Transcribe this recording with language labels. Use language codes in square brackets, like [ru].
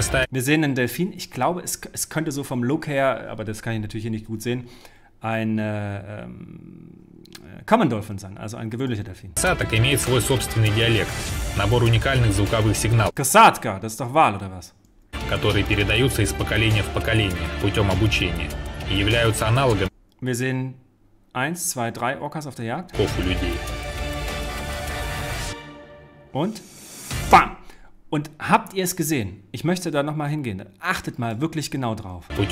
[de] Wir sehen einen Delfin. Ich glaube, es könnte so vom Look her, aber das kann ich natürlich hier nicht gut sehen, ein Common Dolphin sein, also ein gewöhnlicher Delfin. [ru] Kasatka имеет свой собственный диалект, набор уникальных звуковых сигналов. [de] Kasatka, das ist doch Wal, oder was? [ru] Которые передаются из поколения в поколение путем обучения и являются аналогом. [de] Wir sehen 1, 2, 3 Orcas auf der Jagd. [ru] Kofu людей. [de] Und bam! Und habt ihr es gesehen? Ich möchte da nochmal hingehen. Achtet mal wirklich genau drauf.